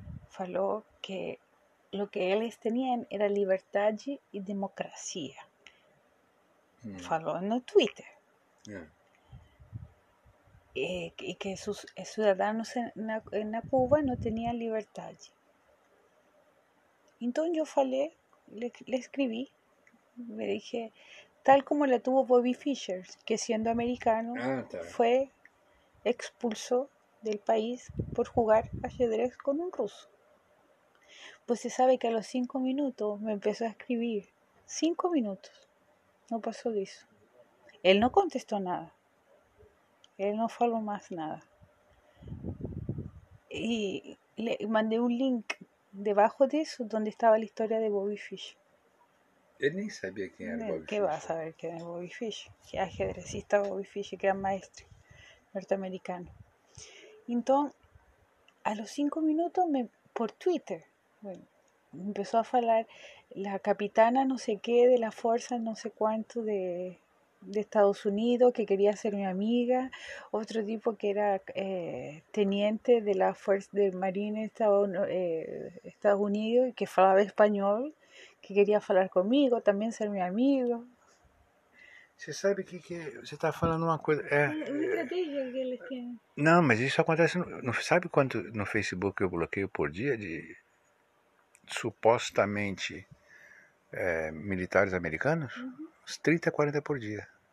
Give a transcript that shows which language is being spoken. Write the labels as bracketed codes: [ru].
[pt] Falou que o que eles tinham era liberdade e democracia. Falou no Twitter. E que os cidadãos na Cuba não tinham liberdade. [es] Entonces yo falé, le escribí, me dije, tal como la tuvo Bobby Fischer, que siendo americano fue expulso del país por jugar ajedrez con un ruso. Pues se sabe que a los 5 minutos me empezó a escribir, 5 minutos, no pasó de eso. Él no contestó nada, él no faló más nada. Y le mandé un link. [pt] Debajo disso, onde estava a história de Bobby Fischer. Ele nem sabia quem era Bobby Fischer. Que vai saber quem é Bobby Fischer? [es] Que ajedrecista Bobby Fischer, gran maestro norte-americano. [pt] Então, [es] a los 5 minutos, [pt] por Twitter, bueno, começou a falar [es] la capitana [pt] não sei o que, [es] de la fuerza [pt] não sei quanto [es] de Estados Unidos que quería ser mi amiga, otro tipo que era teniente de la Fuerza del Marine Estados Unidos y que hablaba español, que quería hablar conmigo, también ser mi amigo. [pt] Você sabe que você está falando uma coisa... É estratégia que eles têm. Não, mas isso acontece... Não, sabe quanto no Facebook eu bloqueio por dia de supostamente militares americanos? Uhum. Uns 30, 40 por dia.